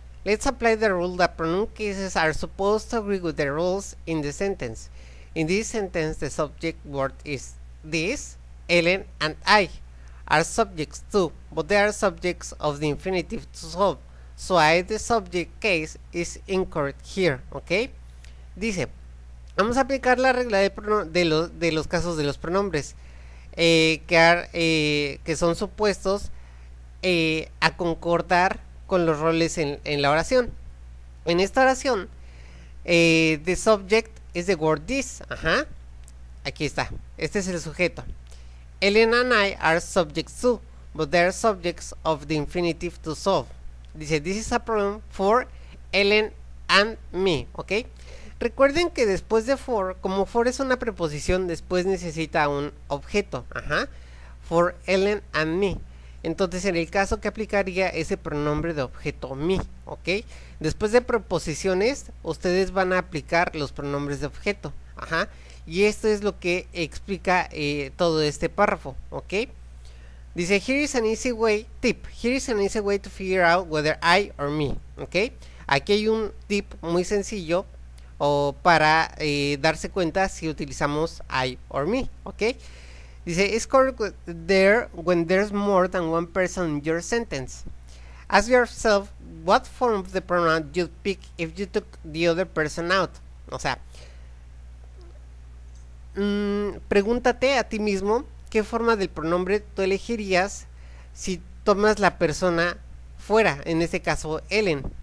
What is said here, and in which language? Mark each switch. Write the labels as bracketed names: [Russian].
[English] Let's apply the rule that pronoun cases are supposed to agree with the rules in the sentence. In this sentence, the subject word is this, Ellen and I are subjects too, but they are subjects of the infinitive to solve. So I, the subject case, is incorrect here. [Spanish] Ok, dice. Vamos a aplicar la regla de los casos de los pronombres que son supuestos a concordar con los roles en la oración. En esta oración, [English] the subject is the word this. [Spanish] Aquí está. Este es el sujeto. [English] Ellen and I are subjects too, but they are subjects of the infinitive to solve. Dice, this is a problem for Ellen and me. ¿Ok? [Spanish] Recuerden que después de for, como for es una preposición, después necesita un objeto. [English] For Ellen and me. [Spanish] Entonces, en el caso que aplicaría ese pronombre de objeto me, ¿ok? Después de preposiciones, ustedes van a aplicar los pronombres de objeto. Y esto es lo que explica todo este párrafo, ¿ok? [English] Dice, here is an easy way, tip. Here is an easy way to figure out whether I or me, ¿ok? [Spanish] Aquí hay un tip muy sencillo. O para darse cuenta si utilizamos I or me, ¿ok? [English] Dice, it's correct there when there's more than one person in your sentence. Ask yourself what form of the pronoun you'd pick if you took the other person out. [Spanish] O sea, pregúntate a ti mismo qué forma del pronombre tú elegirías si tomas la persona fuera, en este caso Ellen.